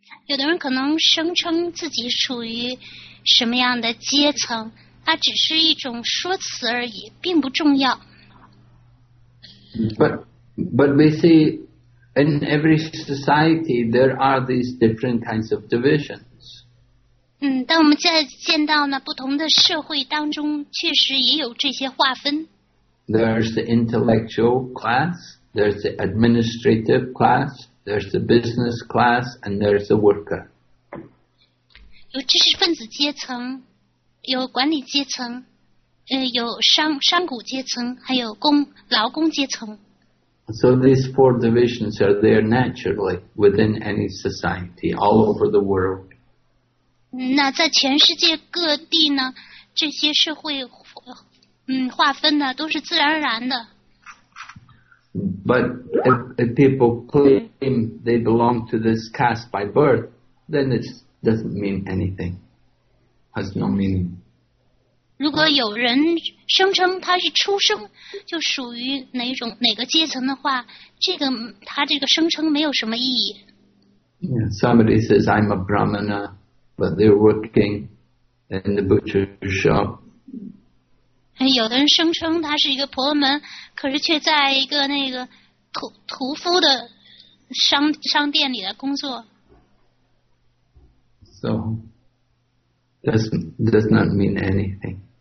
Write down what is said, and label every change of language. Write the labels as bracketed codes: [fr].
[zh] 有的人可能声称自己处于什么样的阶层，它只是一种说辞而已，并不重要。 [en] But we see in every society there are these different kinds of divisions. [zh] 但我们在见到呢不同的社会当中确实也有这些划分。 [en] There's the intellectual class, there's the administrative class, there's the business class, and there's the worker. [zh] 有知识分子阶层，有管理阶层，有商贾阶层，还有劳工阶层。 [en] So these four divisions are there naturally within any society all over the world. [zh] 那在全世界各地呢，这些社会划分呢都是自然而然的。 [en] But if people claim they belong to this caste by birth, then it doesn't mean anything. Has no meaning. [zh] 如果有人声称他是出生就属于哪种哪个阶层的话，这个他这个声称没有什么意义。 [en] Yeah, somebody says I'm a Brahmana, but they're working in the butcher shop. [zh] 有的人声称他是一个婆门，可是却在一个那个屠夫的商店里的工作。 [en] So, does not mean anything.